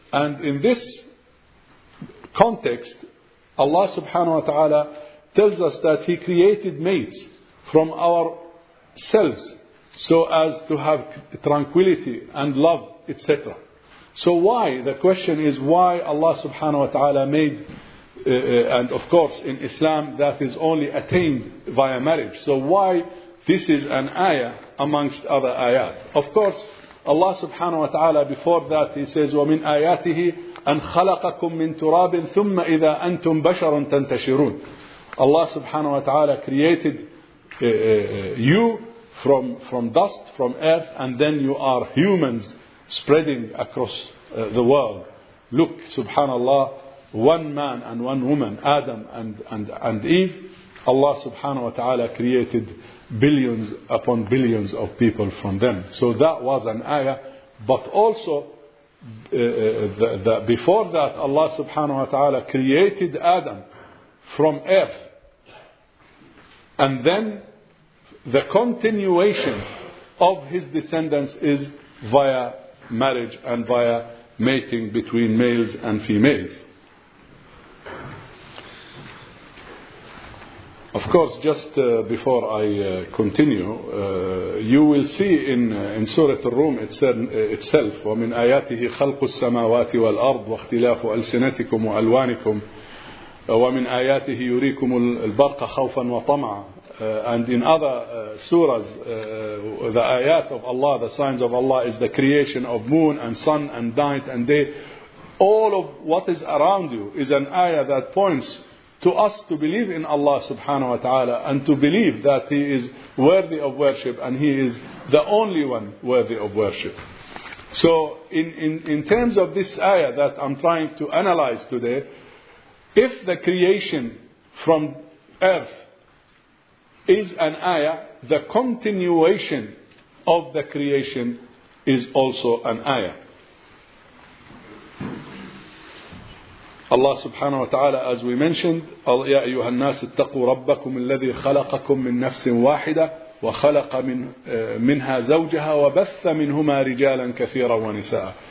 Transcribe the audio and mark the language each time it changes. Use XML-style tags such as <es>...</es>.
<en>And in this context, Allah subhanahu wa ta'ala tells us that He created mates from ourselves so as to have tranquility and love, etc. So why? The question is why Allah subhanahu wa ta'ala made, and of course in Islam that is only attained via marriage. So why this is an ayah amongst other ayat? Of course, Allah subhanahu wa ta'ala before that He says,</en> <ar>وَمِنْ آيَاتِهِ أَنْ خَلَقَكُمْ مِنْ تُرَابٍ ثُمَّ إِذَا أَنْتُمْ بَشَرٌ تَنْتَشِرُونَ.</ar> <en>Allah subhanahu wa ta'ala created you from dust, from earth, and then you are humans spreading across the world. Look, subhanallah, one man and one woman, Adam and Eve, Allah subhanahu wa ta'ala created billions upon billions of people from them. So that was an ayah. But also, before that, Allah subhanahu wa ta'ala created Adam from earth. And then the continuation of his descendants is via marriage and via mating between males and females. Of course, just before I continue, you will see in Surah Ar-Rum itself,</en> <ar>وَمِنْ آيَاتِهِ خَلْقُ السَّمَاوَاتِ وَالْأَرْضِ وَاخْتِلَافُ أَلْسِنَتِكُمْ وَأَلْوَانِكُمْ وَمِنْ آيَاتِهِ يُرِيكُمُ الْبَرْقَ خَوْفًا وَطَمَعًا.</ar> <en>And in other surahs, the ayat of Allah, the signs of Allah, is the creation of moon and sun and night and day. All of what is around you is an ayah that points to us to believe in Allah subhanahu wa ta'ala and to believe that He is worthy of worship and He is the only one worthy of worship. So in terms of this ayah that I'm trying to analyze today, if the creation from earth is an ayah, the continuation of the creation is also an ayah. Allah subhanahu wa ta'ala, as we mentioned,</en> <ar>يَا أَيُّهَا النَّاسِ اتَّقُوا رَبَّكُمْ الَّذِي خَلَقَكُمْ مِنْ نَفْسٍ وَاحِدَةٍ وَخَلَقَ مِنْهَا زَوْجَهَا وَبَثَّ مِنْهُمَا رِجَالًا كَثِيرًا وَنِسَاءً.</ar>